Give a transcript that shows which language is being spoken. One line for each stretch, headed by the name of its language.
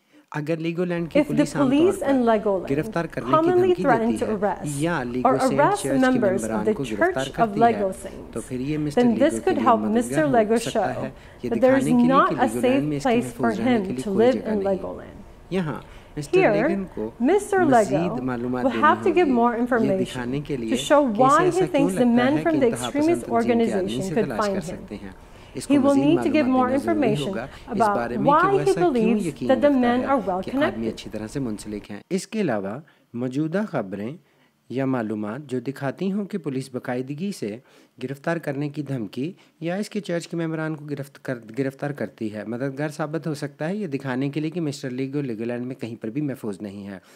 Urdu: اگر Lego land کی police گرفتار کرنے کی دھمکی دیتی ہے یا لیگو سینٹ چرچ کے ممبران کو گرفتار کرتی ہے تو پھر یہ مسٹر لیگو کے لیے مددگار ہو سکتا ہے یہ دکھانے کے لیے کہ لیگو لینڈ میں اس کے محفوظ رہنے کے لیے کوئی جگہ نہیں. یہاں مسٹر لیگو کو مزید معلومات دینی ہوگی یہ دکھانے کے لیے کہ اسے ایسا کیوں لگتا ہے کہ انتہا پسند تنظیم کے آدمی سے تلاش کر سکتے ہیں.
English: He will need to give more information about why he believes that the men are well connected.
Urdu: اس کے علاوہ موجودہ خبریں یا معلومات جو دکھاتی ہوں کہ پولیس باقاعدگی سے گرفتار کرنے کی دھمکی یا اس کے چرچ کے ممبران کو گرفتار کرتی ہے مددگار ثابت ہو سکتا ہے یہ دکھانے کے لیے کہ مسٹر لیگو لیگو لینڈ میں کہیں پر بھی محفوظ نہیں ہے.